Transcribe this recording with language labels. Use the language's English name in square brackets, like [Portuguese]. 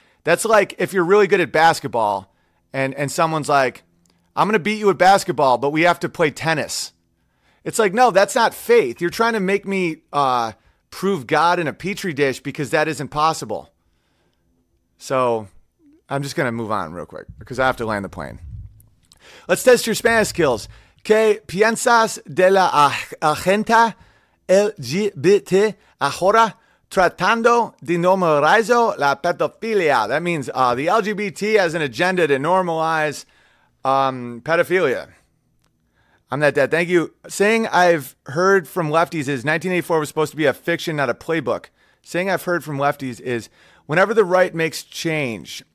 [English] That's like if you're really good at basketball and someone's like, I'm gonna beat you at basketball, but we have to play tennis. It's like, no, that's not faith. You're trying to make me prove God in a petri dish because that is impossible. So I'm just gonna move on real quick because I have to land the plane. Let's test your Spanish skills. [Spanish] ¿Qué piensas de la agenda LGBT ahora tratando de normalizar la pedofilia? [English] That means the LGBT has an agenda to normalize pedophilia. I'm that dead. Thank you. Saying I've heard from lefties is 1984 was supposed to be a fiction, not a playbook. Saying I've heard from lefties is whenever the right makes change.